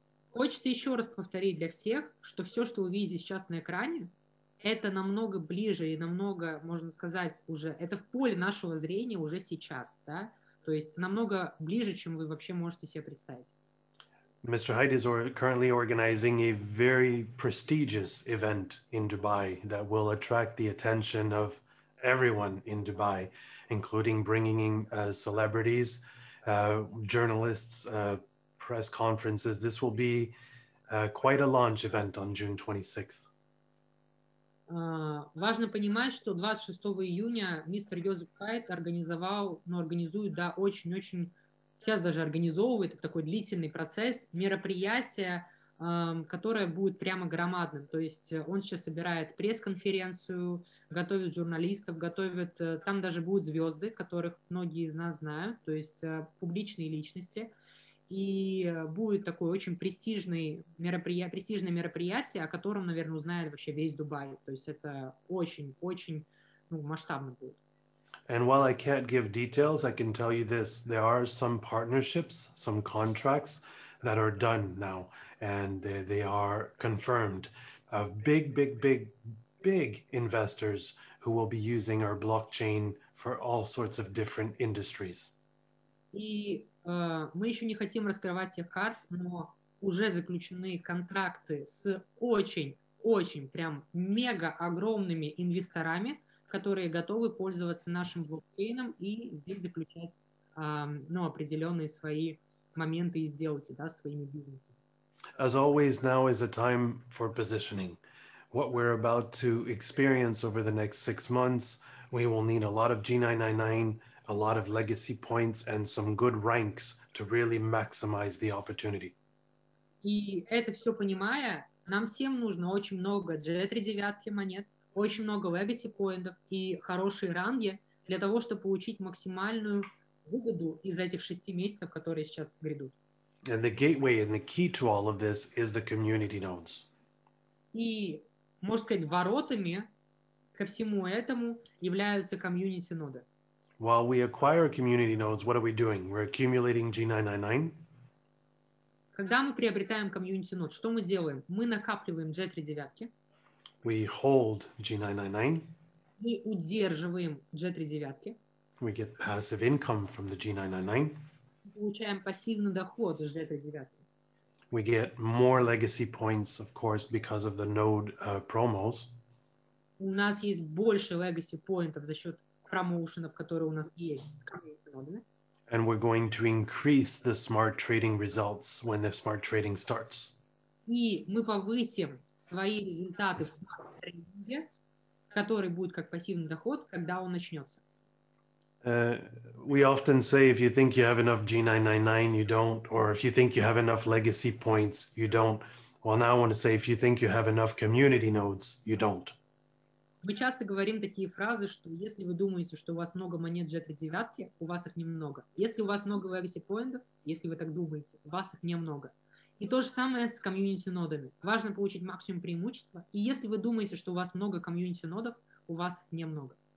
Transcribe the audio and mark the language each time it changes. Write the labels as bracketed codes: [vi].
[ru] Хочется еще раз повторить для всех, что все, что вы видите сейчас на экране, это намного ближе и намного, можно сказать, уже это в поле нашего зрения уже сейчас, да? То есть намного ближе, чем вы вообще можете себе представить. [en] Mr. Hyde is currently organizing a very prestigious event in Dubai that will attract the attention of everyone in Dubai, including bringing in celebrities, journalists, press conferences. This will be quite a launch event on June 26th. [ru] Важно понимать, что 26 июня мистер Йозеф Хайт организовал, организует, да, очень-очень, сейчас даже организовывает такой длительный процесс, мероприятие, которое будет прямо громадным. То есть он сейчас собирает пресс-конференцию, готовит журналистов, готовит, там даже будут звезды, которых многие из нас знают, то есть публичные личности. И будет такое очень престижное мероприятие, о котором, наверное, узнает вообще весь Дубай. То есть это очень-очень, ну, масштабно будет. [en] And while I can't give details, I can tell you this. There are some partnerships, some contracts that are done now. And they are confirmed of big, big, big, big investors who will be using our blockchain for all sorts of different industries. [ru] И мы еще не хотим раскрывать всех карт, но уже заключены контракты с очень-очень прям мега-огромными инвесторами, которые готовы пользоваться нашим блокчейном и здесь заключать определенные свои моменты и сделки, да, своими бизнесами. [en] As always, now is a time for positioning. What we're about to experience over the next 6 months, we will need a lot of G999, a lot of legacy points and some good ranks to really maximize the opportunity. [ru] И это все понимая, нам всем нужно очень много G39 монет, очень много legacy points и хорошие ранги для того, чтобы получить максимальную выгоду из этих 6 месяцев, которые сейчас грядут. [en] And the gateway and the key to all of this is the community nodes. [ru] И, можно сказать, воротами ко всему этому являются community ноды. [en] While we acquire community nodes, what are we doing? We're accumulating G999. [ru] Когда мы приобретаем community node, что мы делаем? Мы накапливаем G39. [en] We hold G999. [ru] Мы удерживаем G39. [en] We get passive income from the G999. [ru] Получаем пассивный доход с G39. [en] We get more legacy points, of course, because of the node promos. [ru] У нас есть больше legacy points за счет промоушенов, которые у нас есть с комьюнити нодами. [en] And we're going to increase the smart trading results when the smart trading starts. [ru] И мы повысим свои результаты в смарт-трейдинге, который будет как пассивный доход, когда он начнется. [en] We often say if you think you have enough G999, you don't. Or if you think you have enough legacy points, you don't. Well, now I want to say if you think you have enough community nodes, you don't. [ru] Мы часто говорим такие фразы, что если вы думаете, что у вас много монет G3 девятки, у вас их немного. Если у вас много legacy поинтов, если вы так думаете, у вас их немного. И то же самое с комьюнити нодами. Важно получить максимум преимущества. И если вы думаете, что у вас много комьюнити нодов, у вас их немного.